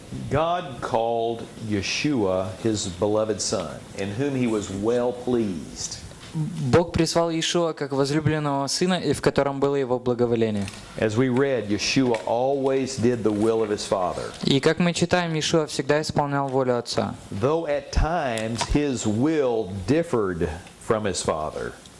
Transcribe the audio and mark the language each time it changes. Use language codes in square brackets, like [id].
[en] God called Yeshua his beloved son, in whom he was well pleased. [ru] Бог призвал Иешуа как возлюбленного сына, и в котором было его благоволение. [en] As we read, Yeshua always did the will of his father. [ru] И как мы читаем, Иешуа всегда исполнял волю отца. [en] Though at times his will differed from his father.